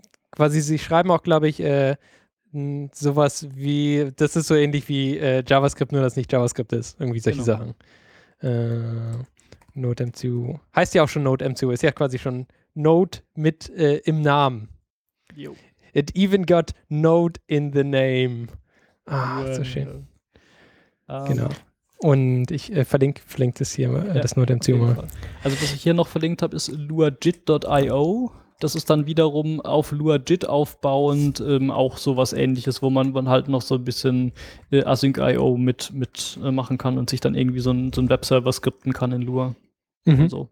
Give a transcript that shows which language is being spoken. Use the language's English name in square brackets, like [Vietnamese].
[German] Quasi, sie schreiben auch, glaube ich, sowas wie, das ist so ähnlich wie JavaScript, nur dass nicht JavaScript ist, irgendwie solche genau. Sachen. NodeMCU, heißt ja auch schon NodeMCU, ist ja quasi schon Node mit im Namen. Jo. [English] It even got Node in the name. Ah, well, [German] so schön. Genau. Und ich verlinke das hier, das NodeMCU mal. Also was ich hier noch verlinkt habe, ist luajit.io. Das ist dann wiederum auf LuaJIT aufbauend auch sowas Ähnliches, wo man halt noch so ein bisschen Async.io mitmachen kann und sich dann irgendwie so ein Webserver skripten kann in Lua. Mhm. Und so.